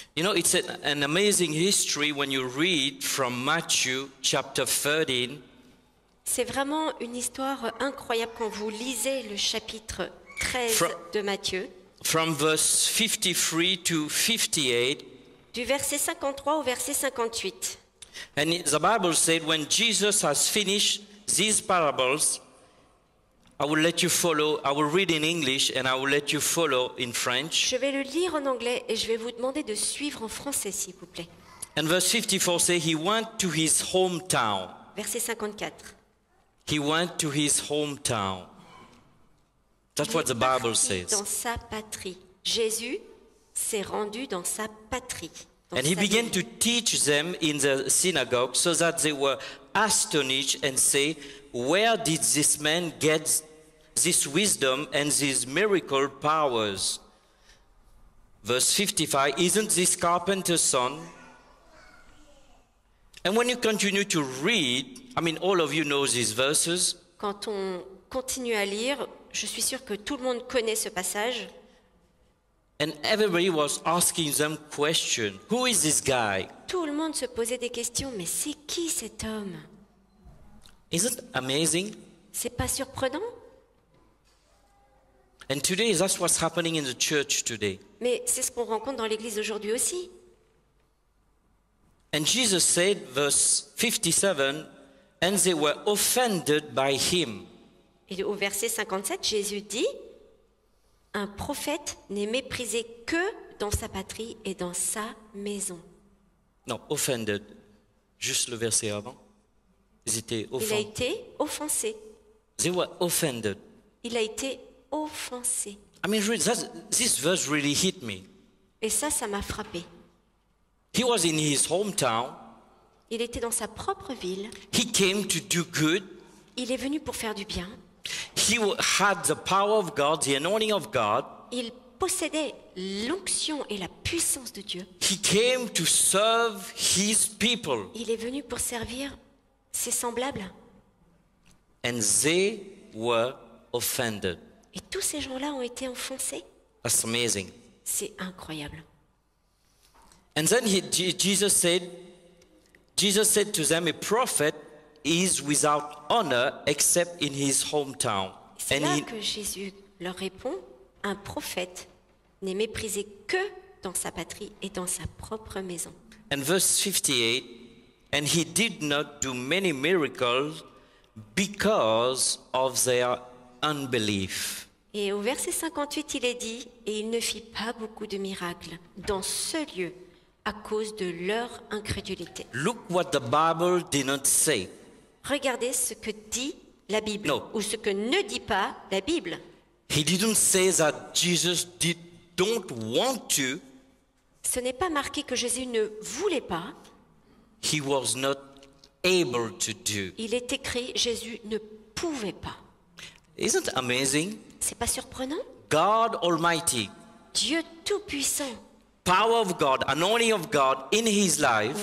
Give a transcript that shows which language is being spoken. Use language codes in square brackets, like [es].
[en] You know, it's an amazing history when you read from Matthew chapter 13. [fr] C'est vraiment une histoire incroyable quand vous lisez le chapitre 13 de Matthieu. [en] From verse 53 to 58. [fr] Du verset 53 au verset 58. [en] And the Bible said, when Jesus has finished these parables, I will read in English and I will let you follow in French. [fr] Je vais le lire en anglais et je vais vous demander de suivre en français, s'il vous plaît. [en] And verse 54 says, he went to his hometown. [fr] Verset 54. [en] He went to his hometown. That's what the Bible says. [fr] Dans sa patrie. Jésus s'est rendu dans sa patrie. [en] And he began to teach them in the synagogue so that they were astonished and say, where did this man get this wisdom and these miracle powers? Verse 55, isn't this carpenter's son? And when you continue to read, I mean, all of you know these verses. [fr] Quand on continue à lire, je suis sûr que tout le monde connaît ce passage. [en] And everybody was asking them questions. Who is this guy? [fr] Tout le monde se posait des questions. Mais c'est qui cet homme? [en] Isn't it amazing? [fr] C'est pas surprenant? [en] And today, that's what's happening in the church today. [fr] Mais c'est ce qu'on rencontre dans l'église aujourd'hui aussi. [en] And Jesus said, verse 57, and they were offended by him. [fr] Et au verset 57, Jésus dit, un prophète n'est méprisé que dans sa patrie et dans sa maison. Non, offended. Juste le verset avant. Il a été offensé. [en] They were offended. [fr] Il a été offensé. [en] I mean, really, this verse really hit me. [fr] Et ça m'a frappé. [en] He was in his hometown. [fr] Il était dans sa propre ville. [en] He came to do good. [fr] Il est venu pour faire du bien. [en] He had the power of God, the anointing of God. [fr] Il possédait l'onction et la puissance de Dieu. [en] He came to serve his people. [fr] Il est venu pour servir ses semblables. [en] And they were offended. [fr] Et tous ces gens-là ont été offensés. [en] That's amazing. [fr] C'est incroyable. [en] And then Jesus said to them, a prophet is without honor except in his hometown. [fr] C'est là que Jésus leur répond, un prophète n'est méprisé que dans sa patrie et dans sa propre maison. [en] And verse 58, and he did not do many miracles because of their unbelief. [fr] Et au verset 58, il est dit, et il ne fit pas beaucoup de miracles dans ce lieu à cause de leur incrédulité. [en] Look what the Bible did not say. [fr] Regardez ce que dit la Bible, [en] no. [fr] Ou ce que ne dit pas la Bible. [en] He didn't say that Jesus didn't want to. [fr] Ce n'est pas marqué que Jésus ne voulait pas. [en] He was not able to do. [fr] Il est écrit, Jésus ne pouvait pas. [en] Isn't it amazing? [fr] C'est pas surprenant? [en] God Almighty. [fr] Dieu Tout-Puissant. [en] Power of God, anointing of God in his life.